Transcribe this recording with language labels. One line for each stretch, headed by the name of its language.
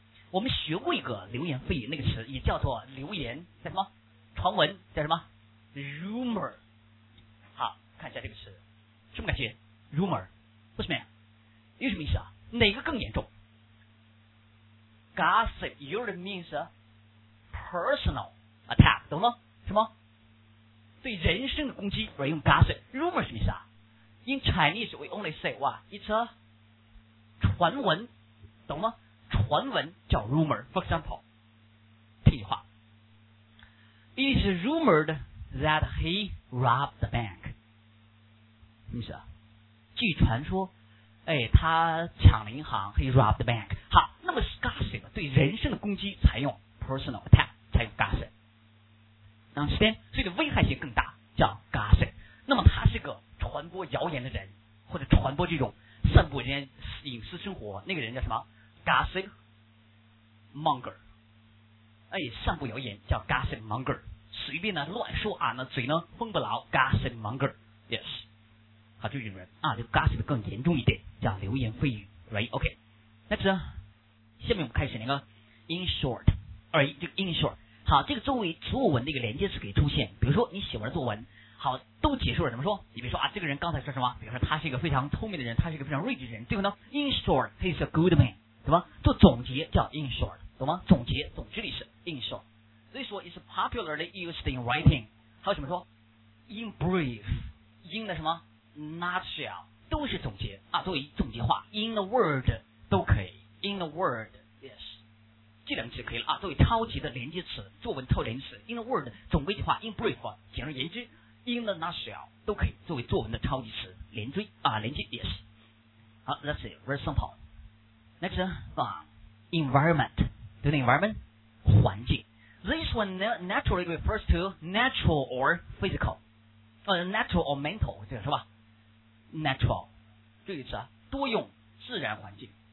Chinese: 我们学过一个流言蜚语那个词，也叫做流言，叫什么？传闻叫什么 ？rumor。好，看一下这个词，什么感觉 ？rumor， 为什么呀？有什么意思啊？哪个更严重
English: ？Gossip usually means personal attack， 懂吗？
Chinese: 什么？对人身的攻击，而用 gossip。
English: rumor
Chinese: 什么意思啊
English: ？In Chinese we only say what it's a
Chinese: 传闻，懂吗？传闻叫
English: rumor， for example，
Chinese: 听一句话
English: ，It is rumored that he robbed the bank。
Chinese: 什么意思啊？据传说，哎，他抢了银行 ，
English: he robbed the bank。
Chinese: 好，那么 gossip 对人身的攻击采用
English: personal attack，
Chinese: 采用 gossip。
English: Understand？
Chinese: 所以的危害性更大，叫 gossip。那么他是个传播谣言的人，或者传播这种散布人家隐私生活，那个人叫什么？ Gossip monger， 哎，散布谣言叫 gossip monger， 随便呢乱说啊，那嘴呢封不牢 ，gossip monger，yes， 好，就这种人啊，就 gossip 更严重一点，叫流言蜚语 ，right？OK，、okay, 那这，下面我们开始那个 in short， 哎，这个 in short， 好，这个作为作文的一个连接词可以出现，比如说你写完作文，好，都结束了，怎么说？你比如说啊，这个人刚才说什么？比如说他是一个非常聪明的人，他是一个非常睿智的人，最后呢 ，in short，
English: he's a good man。
Chinese: 懂吗？做总结叫 in short， 懂吗？总结、总之的意思 in short。
English: 所以说 ，is popularly used in writing。
Chinese: 还有什么说 ？in brief， in 的什么 nutshell 都是总结啊，作为总结话 ，in a word 都可以 ，in a word yes， 这两个词可以了啊，作为超级的连接词，作文超连词 ，in a word 总归一句话 ，in brief 简而言之 ，in a nutshell 都可以作为作文的超级词连缀啊，连接 yes。
English: 好 ，let's see very simple。Next, environment. Do you know environment? 环境 This one naturally refers to natural or physical. Natural or mental,
Chinese: 这个是吧 ？Natural， 这个词啊，多用自然环境。